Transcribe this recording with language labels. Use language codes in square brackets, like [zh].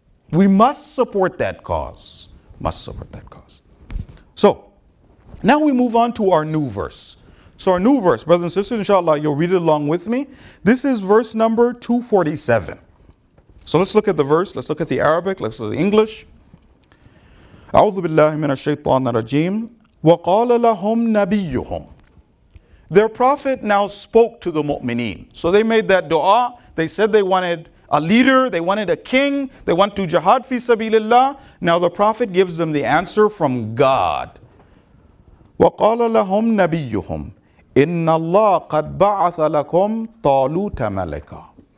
[en] We must support that cause. Must support that cause. So, now we move on to our new verse. So our new verse, brothers and sisters, inshallah, you'll read it along with me. This is verse number 247. So let's look at the verse. Let's look at the Arabic. Let's look at the English. [ar] أعوذ بالله من الشيطان الرجيم وقال لهم نبيهم. [en] Their prophet now spoke to the mu'mineen. So they made that dua. They said they wanted a leader, they wanted a king, they want to jihad fi sabilillah. Now the prophet gives them the answer from God. [ar] وَقَالَ لَهُمْ نَبِيُّهُمْ إِنَّ اللَّهَ قَدْ بَعَثَ لَكُمْ طَالُوتَ مَلِكًا.